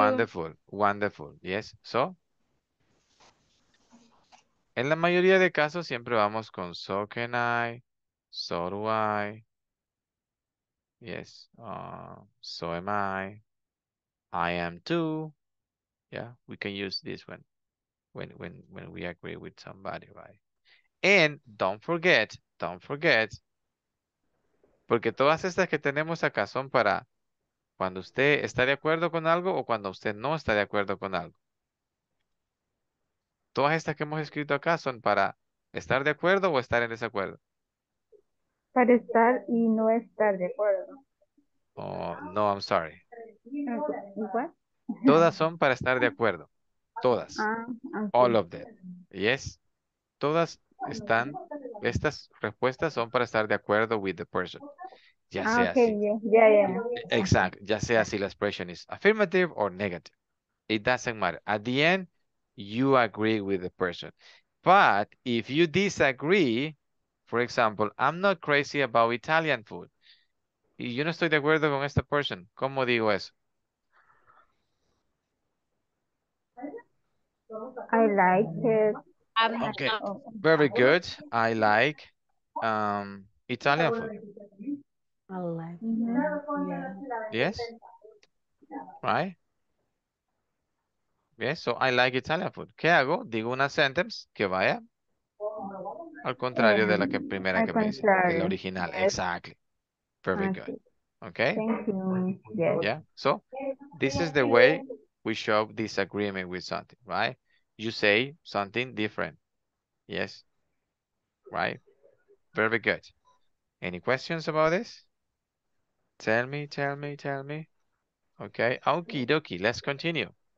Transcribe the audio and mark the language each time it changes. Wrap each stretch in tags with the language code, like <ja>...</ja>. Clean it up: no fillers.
<en>Wonderful, wonderful. Yes, so?</en> <es>En la mayoría de casos siempre vamos con</es> <en>so can I, so do I, yes, so am I, I am too. Yeah, we can use this one when we agree with somebody, right? And don't forget,</en> <es>porque todas estas que tenemos acá son para cuando usted está de acuerdo con algo o cuando usted no está de acuerdo con algo. Todas estas que hemos escrito acá son para estar de acuerdo o estar en desacuerdo. Para estar y no estar de acuerdo.</es> <en>Oh, no, I'm sorry.</en> <es>¿Qué? Todas son para estar de acuerdo. Todas.</es> <en>All of them. Yes.</en> <es>Todas están, estas respuestas son para estar de acuerdo</es> <en>with the person.</en> <es>Ya sea así.</es> <en>Yeah.</en> <es>Exacto. Ya sea si la</es> <en>expression is affirmative or negative. It doesn't matter. At the end, you agree with the person. But if you disagree, for example, I'm not crazy about Italian food.</en> <es>Y yo no estoy de acuerdo con esta person. ¿Cómo digo eso?</es> <en>I like it. Okay. Very good. I like Italian food. I like. Yes? Right? Yes, so I like Italian food.</en> <es>¿Qué hago? Digo una sentence que vaya al contrario de la que primera que me dice, el original.</es> <en>Yes. Exactly. Very good. Okay. Thank you. Yes. Yeah. So this is the way we show disagreement with something, right? You say something different. Yes. Right. Very good. Any questions about this? Tell me. Okay. Okie dokie. Let's continue.</en>